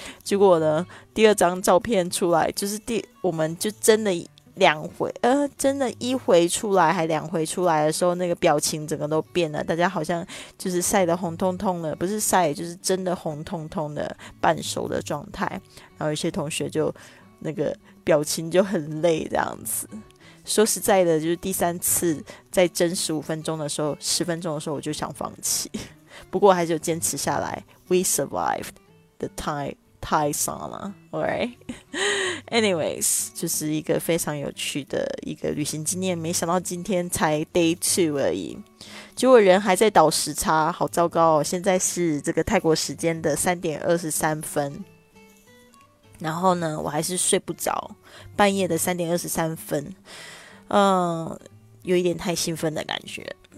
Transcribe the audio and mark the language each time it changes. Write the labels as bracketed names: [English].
[Chinese] 结果呢，第二张照片出来，就是我们就真的两回，真的一回出来还两回出来的时候，那个表情整个都变了，大家好像就是晒得红彤彤的，不是晒，就是真的红彤彤的半熟的状态。然后有些同学就那个表情就很累这样子。说实在的，就是第三次在蒸10分钟的时候我就想放弃，不过还是有坚持下来。 [English] We survived the Thai sauna, alright? [Chinese] Anyways, 就是一个非常有趣的一个旅行经验，没想到今天才 day 2而已，结果人还在倒时差，好糟糕哦。现在是这个泰国时间的3:23，然后呢我还是睡不着，半夜的3:23，有一点太兴奋的感觉。